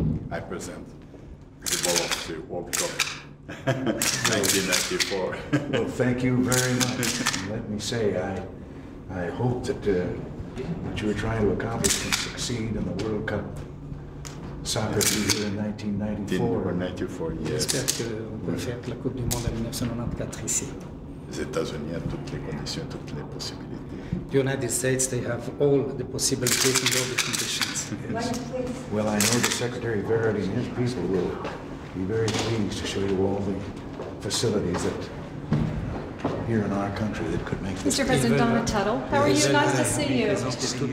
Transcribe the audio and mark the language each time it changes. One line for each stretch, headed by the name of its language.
English: I present the ball of the World Cup 1994. Well, thank you very much. Let me say, I hope that what you were trying to accomplish can succeed in the World Cup. Soccer yes. leader in 1994. Yes.
French: J'espère que on peut faire la Coupe du Monde en 1994 ici. Les États-Unis ont toutes les conditions, toutes les possibilités.
English: The United States, they have all the possibilities and all the conditions. Yes. Well, I know the Secretary Verity and his people will be very pleased to show you all the facilities that here in our country that could make this. Mr. President Donna Tuttle, how are you? Nice to see you.